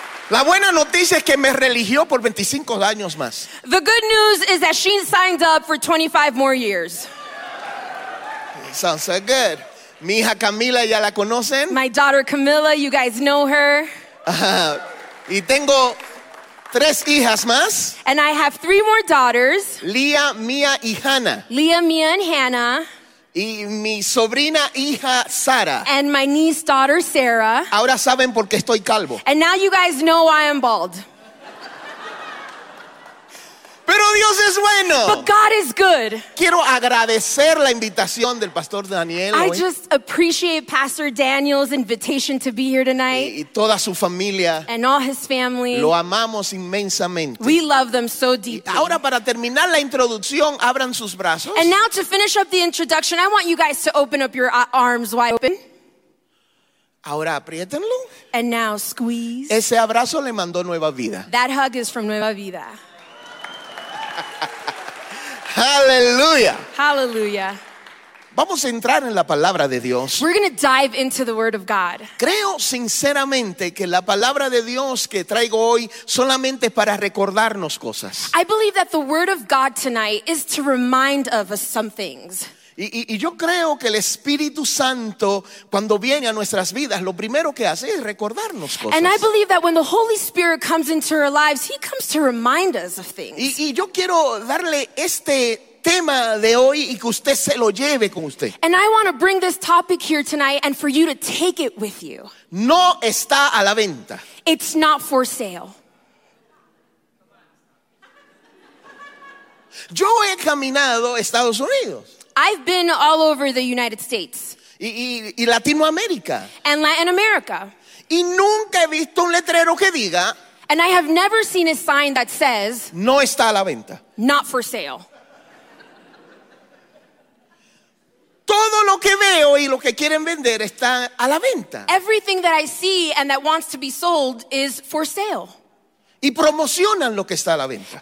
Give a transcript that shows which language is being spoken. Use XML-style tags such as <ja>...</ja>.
<es>La buena noticia es que me religió por 25 años más.</es> <en>The good news is that she signed up for 25 more years.</en> <es>Sounds so good. Mi hija Camila ya la conocen.</es> <en>My daughter Camila, you guys know her.</en> <es>Y tengo tres hijas más.</es> <en>And I have three more daughters.</en> <es>Lia, Mia y Hannah.</es> <en>Lia, Mia and Hannah.</en> <es>Y mi sobrina hija Sara.</es> <en>And my niece daughter Sarah.</en> <es>Ahora saben por qué estoy calvo.</es> <en>And now you guys know why I'm bald.</en> <es>Pero Dios es bueno.</es> <en>But God is good.</en> <es>Quiero agradecer la invitación del Pastor Daniel hoy.</es> <en>I just appreciate Pastor Daniel's invitation to be here tonight.</en> <es>Y toda su familia.</es> <en>And all his family.</en> <es>Lo amamos inmensamente.</es> <en>We love them so deeply.</en> <es>Y ahora para terminar la introducción, abran sus brazos.</es> <en>And now to finish up the introduction, I want you guys to open up your arms wide open.</en> <es>Ahora apriétenlo.</es> <en>And now squeeze.</en> <es>Ese abrazo le mandó Nueva Vida.</es> <en>That hug is from Nueva Vida.</en> <es>Hallelujah.</es> <en>Hallelujah.</en> <es>Vamos a entrar en la palabra de Dios.</es> <en>We're going to dive into the word of God.</en> <es>Creo sinceramente que la palabra de Dios que traigo hoy solamente es para recordarnos cosas.</es> <en>I believe that the word of God tonight is to remind of us some things.</en> <es>Y yo creo que el Espíritu Santo, cuando viene a nuestras vidas, lo primero que hace es recordarnos cosas.</es> <en>And I believe that when the Holy Spirit comes into our lives, he comes to remind us of things.</en> <es>Y yo quiero darle este tema de hoy y que usted se lo lleve con usted.</es> <en>And I want to bring this topic here tonight and for you to take it with you.</en> <es>No está a la venta.</es> <en>It's not for sale.</en> <es>Yo he caminado Estados Unidos.</es> <en>I've been all over the United States.</en> <es>Y Latinoamérica.</es> <en>And Latin America.</en> <es>Y nunca he visto un letrero que diga.</es> <en>And I have never seen a sign that says.</en> <es>No está a la venta.</es> <en>Not for sale.</en> <es>Todo lo que veo y lo que quieren vender está a la venta.</es> <en>Everything that I see and that wants to be sold is for sale.</en> <es>Y promocionan lo que está a la venta.</es>